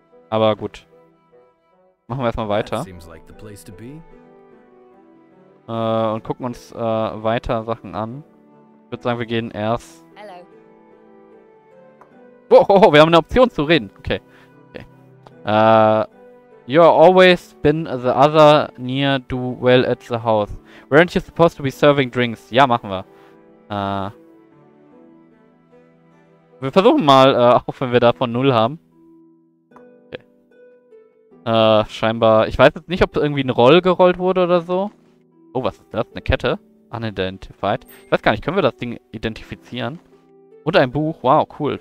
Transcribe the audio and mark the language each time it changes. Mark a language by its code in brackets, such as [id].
[de] Aber gut. Machen wir erstmal weiter. Und gucken uns weiter Sachen an. Ich würde sagen, wir gehen erst... [en] Hello. [de] Oh, oh, oh, wir haben eine Option zu reden. Okay. Okay. [en] You're always been the other near do well at the house. Weren't you supposed to be serving drinks? [de] Ja, machen wir. Wir versuchen mal, auch wenn wir davon null haben. Okay. Scheinbar. Ich weiß jetzt nicht, ob irgendwie ein Roll gerollt wurde oder so. Oh, was ist das? Eine Kette? Unidentified. Ich weiß gar nicht, können wir das Ding identifizieren? Und ein Buch. Wow, cool.